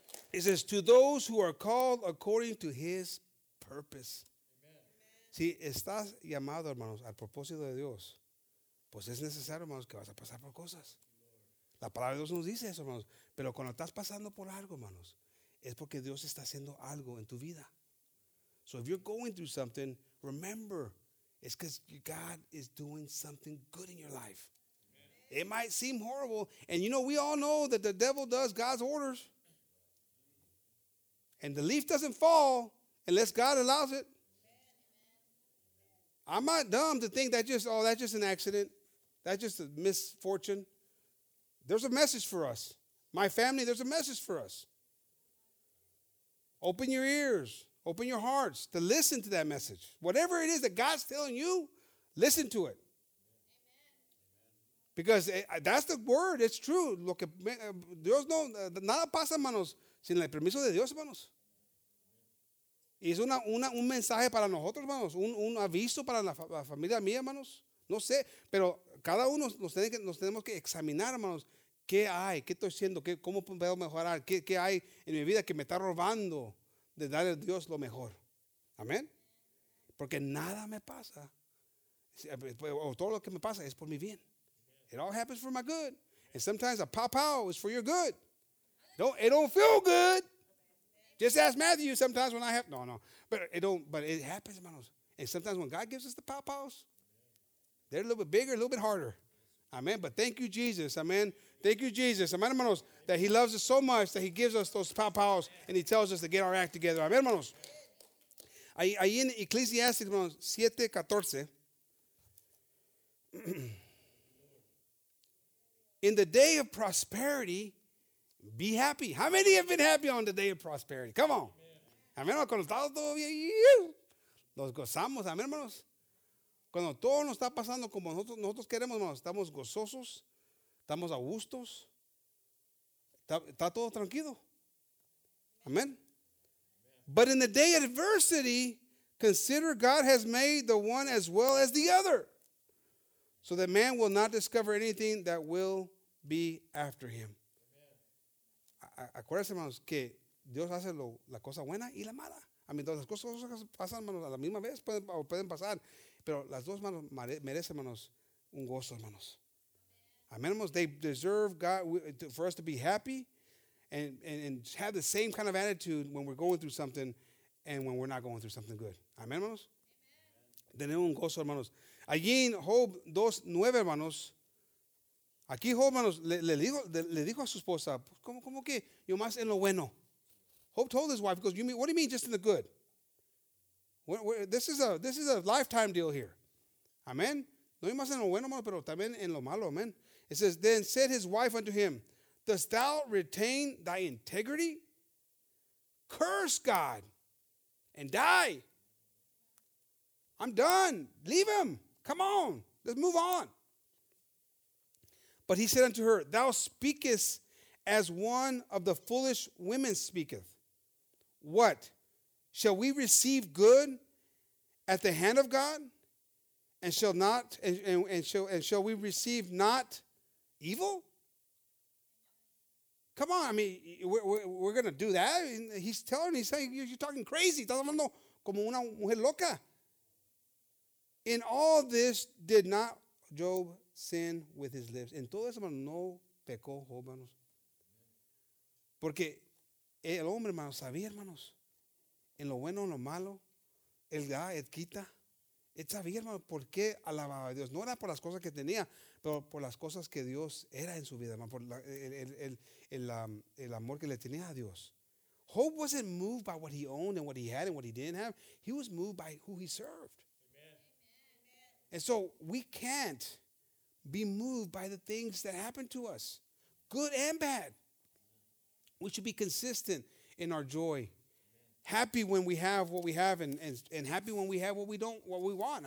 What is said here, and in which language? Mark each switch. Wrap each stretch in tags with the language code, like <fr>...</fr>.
<en>It says, to those who are called according to his purpose. Amen.</en> <es>Si estás llamado, hermanos, al propósito de Dios, pues es necesario, hermanos, que vas a pasar por cosas. La palabra de Dios nos dice eso, hermanos. Pero cuando estás pasando por algo, hermanos, es porque Dios está haciendo algo en tu vida.</es> <en>So if you're going through something, remember, it's because God is doing something good in your life. Amen. It might seem horrible. And, you know, we all know that the devil does God's orders. And the leaf doesn't fall unless God allows it. I'm not dumb to think that's just an accident. That's just a misfortune. There's a message for us. My family, there's a message for us. Open your ears. Open your hearts to listen to that message. Whatever it is that God's telling you, listen to it. Because that's the word. It's true.</en> <es>Lo que Dios no, nada pasa, hermanos, sin el permiso de Dios, hermanos. Y es un mensaje para nosotros, hermanos, un aviso para la familia mía, hermanos. No sé, pero cada uno nos tenemos que examinar, hermanos, qué hay, qué estoy haciendo, cómo puedo mejorar, qué hay en mi vida que me está robando de darle a Dios lo mejor. Amén. Porque nada me pasa, o todo lo que me pasa es por mi bien.</es> <en>It all happens for my good. And sometimes a pow-pow is for your good. It don't feel good. Just ask Matthew sometimes when I have, no. But it happens, hermanos. And sometimes when God gives us the pow-pows, they're a little bit bigger, a little bit harder. Amen. But thank you, Jesus. Amen. Thank you, Jesus. Amen, hermanos, that he loves us so much that he gives us those pow-pows and he tells us to get our act together. Amen, hermanos.</en> <es>Ahí en Ecclesiastes, hermanos, 7:14.</es> <en>In the day of prosperity, be happy. How many have been happy on the day of prosperity? Come on.</en> <es>Amen. Amen. Cuando estamos todo bien, nos gozamos. Amen, hermanos. Cuando todo nos está pasando como nosotros queremos, hermanos, estamos gozosos, estamos a gustos. Está todo tranquilo. Amen.</es> <en>But in the day of adversity, consider God has made the one as well as the other, so that man will not discover anything that will be after him.</en> <es>Acuérdense, hermanos, que Dios hace la cosa buena y la mala. A mí, las cosas pasan, hermanos, a la misma vez pueden pasar. Pero las dos, hermanos, merecen, hermanos, un gozo, hermanos. Amen, hermanos.</es> <en>They deserve God for us to be happy and have the same kind of attitude when we're going through something and when we're not going through something good.</en> <es>Amen, hermanos. Tenemos un gozo, hermanos. Allí en Job 2:9, hermanos. Aquí Job, hermanos, le dijo a su esposa, ¿cómo que? Yo más en lo bueno.</es> <en>Job told his wife, he goes, what do you mean just in the good? This is a lifetime deal here. Amen.</en> <es>No hay más en lo bueno, hermano, pero también en lo malo.</es> <en>Amen. It says, then said his wife unto him, dost thou retain thy integrity? Curse God and die. I'm done. Leave him. Come on. Let's move on. But he said unto her, thou speakest as one of the foolish women speaketh. What? Shall we receive good at the hand of God? And shall we receive not evil? Come on, I mean, we're going to do that? He's saying, you're talking crazy.</en> <es>Como una mujer loca.</es> <en>In all this, did not Job sin with his lips?</en> <es>En todo eso, no pecó, hermanos. Porque el hombre, hermanos, sabía, hermanos, en lo bueno, en lo malo, él da, él quita. Él sabía, hermano, por qué alababa a Dios. No era por las cosas que tenía, pero por las cosas que Dios era en su vida, hermano, por el amor que le tenía a Dios.</es> <en>Job wasn't moved by what he owned and what he had and what he didn't have. He was moved by who he served. Amen. And so we can't be moved by the things that happen to us, good and bad. We should be consistent in our joy. Happy when we have what we have and happy when we have what we don't, what we want.</en>